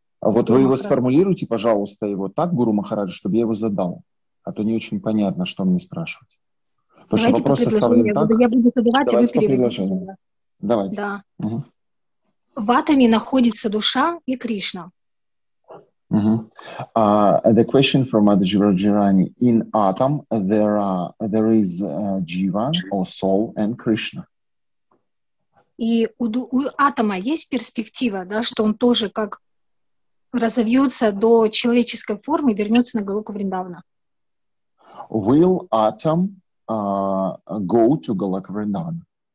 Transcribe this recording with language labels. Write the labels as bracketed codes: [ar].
[ru] А вот вы его сформулируйте, пожалуйста, его так, Гуру Махараджа, чтобы я его задал. А то не очень понятно, что мне спрашивать. Потому что вопрос составлен так. Я буду задавать, а вы переведите. Давайте. Да. Угу. В атоме находится душа и Кришна. [en] The question from Adhijivara Jirani: in atom, there is jiva or soul and Krishna. [ru] И у атома есть перспектива, да, что он тоже как разовьется до человеческой формы, вернется на Галоку Вриндавана. [en] Will atom go to Галока Вриндавана?